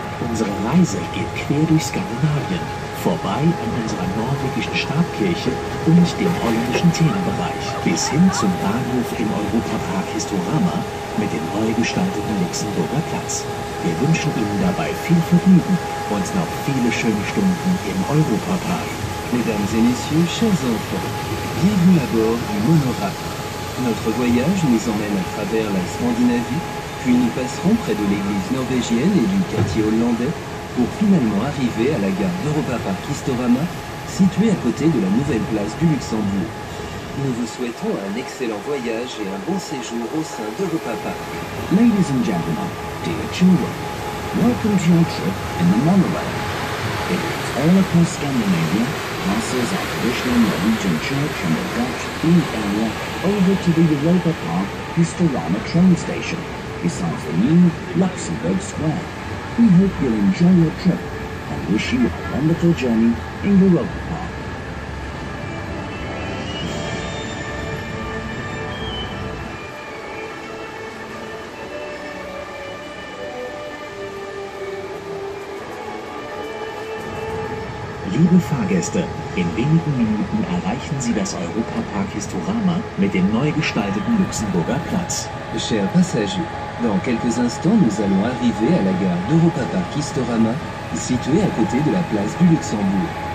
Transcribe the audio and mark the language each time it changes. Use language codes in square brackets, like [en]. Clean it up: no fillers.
[de] Unsere Reise geht quer durch Skandinavien, vorbei an unserer norwegischen Stabkirche und dem holländischen Themenbereich, bis hin zum Bahnhof im Europapark Historama mit dem neu gestalteten Luxemburger Platz. Wir wünschen Ihnen dabei viel Vergnügen und noch viele schöne Stunden im Europapark. [fr] Mesdames et Messieurs, chers enfants, bienvenue à bord du Monorail. Notre voyage nous emmène à travers la Scandinavie, puis nous passerons près de l'église norvégienne et du quartier hollandais pour finalement arriver à la gare d'Europapark Historama, située à côté de la nouvelle place du Luxembourg. Nous vous souhaitons un excellent voyage et un bon séjour au sein d'Europapark. [en] Ladies and gentlemen, dear children, welcome to your trip in the monorail. It is all across Scandinavia, passes our traditional Norwegian church and the Dutch Inn area over to the Europa Park Historama train station, besides the new Luxembourg Square. We hope you'll enjoy your trip and wish you a wonderful journey in Europa Park. [de] Liebe Fahrgäste, in wenigen Minuten erreichen Sie das Europapark Historama mit dem neu gestalteten Luxemburger Platz. [fr] Chers passagers, dans quelques instants nous allons arriver à la gare d'Europapark Historama, située à côté de la place du Luxembourg.